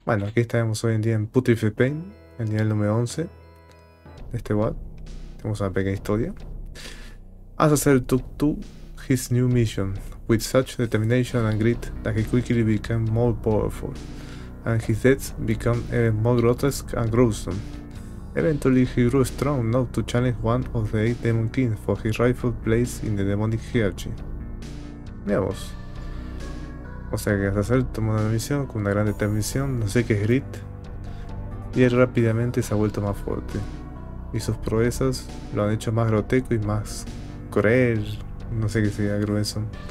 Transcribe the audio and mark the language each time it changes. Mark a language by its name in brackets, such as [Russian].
[Spanish] Bueno, aquí estamos hoy en día en Putrefied Pain, el nivel número 11 de este bot. Tenemos una pequeña historia. [English] Azazel took to his new mission with such determination and grit that he quickly became more powerful, and his deaths became even more grotesque and gruesome. Eventually, he grew strong enough to challenge one of the eight Demon Kings for his rightful place in the demonic hierarchy. [Spanish] Mira vos. O sea que Azazel tomó una misión con una gran determinación, no sé qué es Grit, y él rápidamente se ha vuelto más fuerte. Y sus proezas lo han hecho más grotesco y más cruel, no sé qué sería grueso.